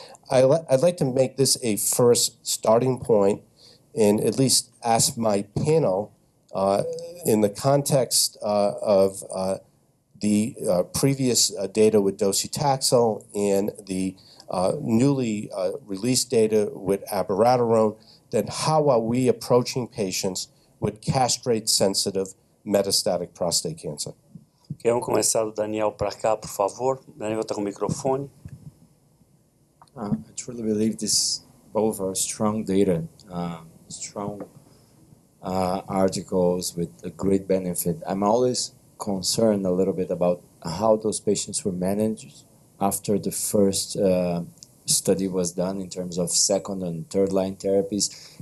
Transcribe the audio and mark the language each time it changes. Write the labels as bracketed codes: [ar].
[en] I'd like to make this a first starting point and at least ask my panel in the context of the previous data with docetaxel and the newly released data with abiraterone, then how are we approaching patients with castrate-sensitive metastatic prostate cancer? [pt] Quero começar o Daniel para cá, por favor. Daniel está com o microfone. [en] I truly believe this both are strong data, strong articles with a great benefit. I'm always concerned a little bit about how those patients were managed after the first study was done in terms of second and third line therapies.